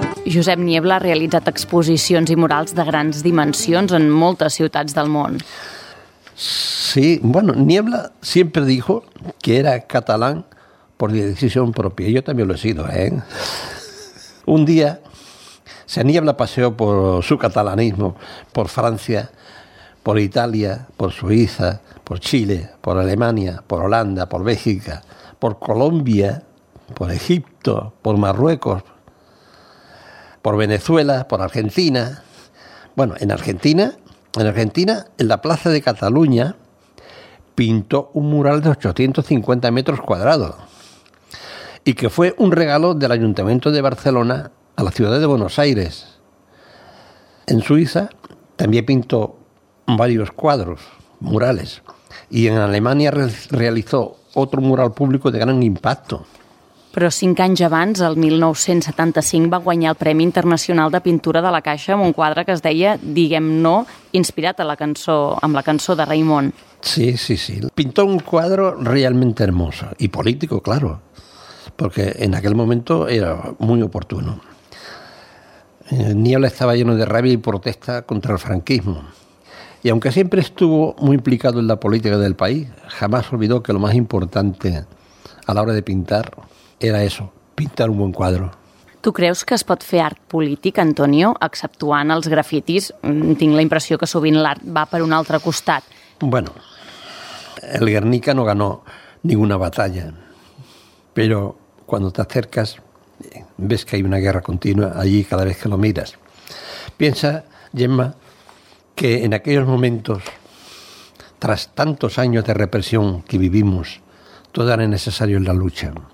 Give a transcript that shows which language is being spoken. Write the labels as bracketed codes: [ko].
[ca] Josep Niebla ha realitzat exposicions i murals de grans dimensions en moltes ciutats del món. [es] Sí, bueno, Niebla siempre dijo que era catalán por decisión propia. Yo también lo he sido, ¿eh? Un día, Niebla paseó por su catalanismo, por Francia, por Italia, por Suiza, por Chile, por Alemania, por Holanda, por Bélgica, por Colombia, por Egipto, por Marruecos, por Venezuela, por Argentina. Bueno, en Argentina, en la Plaza de Cataluña, pintó un mural de 850 metros cuadrados y que fue un regalo del Ayuntamiento de Barcelona a la ciudad de Buenos Aires. En Suiza también pintó varios cuadros, murales, y en Alemania realizó otro mural público de gran impacto. [ca] Però cinc anys abans, el 1975, va guanyar el Premi Internacional de Pintura de la Caixa amb un quadre que es deia Diguem No, inspirat a la cançó, amb la cançó de Raimon. Sí, sí, sí. [es] Pintó un cuadro realmente hermoso y político, claro, porque en aquel momento era muy oportuno. Niebla estaba lleno de rabia y protesta contra el franquismo. Y aunque siempre estuvo muy implicado en la política del país, jamás olvidó que lo más importante a la hora de pintar era eso, pintar un buen cuadro. ¿Tú crees [ca] que es pot fer art polític, Antonio, exceptuant els grafitis? Tinc la impressió que sovint l'art va per un altre costat. [es] Bueno, el Guernica no ganó ninguna batalla, pero cuando te acercas ves que hay una guerra continua allí cada vez que lo miras. Piensa, Gemma, que en aquellos momentos, tras tantos años de represión que vivimos, todo era necesario en la lucha.